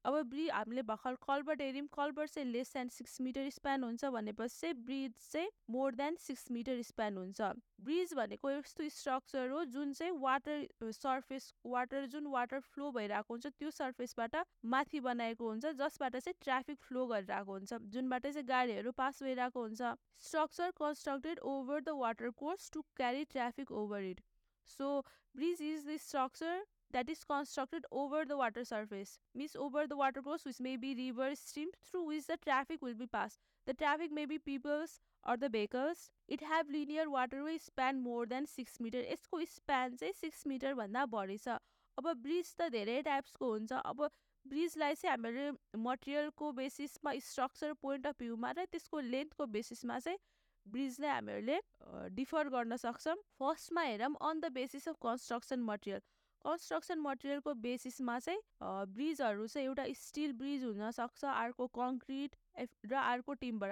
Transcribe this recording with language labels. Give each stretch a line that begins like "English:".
Nepali: अब ब्रिज हामीले भर्खर कल्भर्ट हेऱ्यौँ. कल्भर्ट चाहिँ लेस देन 6 मिटर स्प्यान हुन्छ भनेपछि चाहिँ ब्रिज चाहिँ मोर देन 6 मिटर स्प्यान हुन्छ. ब्रिज भनेको यस्तो स्ट्रक्चर हो जुन चाहिँ वाटर सर्फेस वाटर जुन वाटर फ्लो भइरहेको हुन्छ त्यो सर्फेसबाट माथि बनाएको हुन्छ जसबाट चाहिँ ट्राफिक फ्लो गरिरहेको हुन्छ, जुनबाट चाहिँ गाडीहरू पास भइरहेको हुन्छ.
English: Structure constructed over the water course to carry traffic over it. So bridge is the structure that is constructed over the water surface, means over the water course which may be river stream through which the traffic will be passed. The traffic may be peoples or the vehicles. It have linear waterway span more than 6 meter.
Nepali: यसको span चाहिँ 6 metre भन्दा बढी छ. अब bridge त धेरै टाइप्सको हुन्छ. अब ब्रिजलाई चाहिँ हामीले मटेरियलको बेसिसमा स्ट्रक्चर पोइन्ट अफ भ्यूमा र त्यसको लेन्थको बेसिसमा चाहिँ ब्रिजलाई हामीहरूले डिफर गर्न सक्छौँ. फर्स्टमा हेरौँ
English: On the basis of construction material.
Nepali: Construction मटेरियलको बेसिसमा चाहिँ ब्रिजहरू चाहिँ एउटा स्टिल ब्रिज हुनसक्छ, अर्को कङ्क्रिट र अर्को टिम्बर.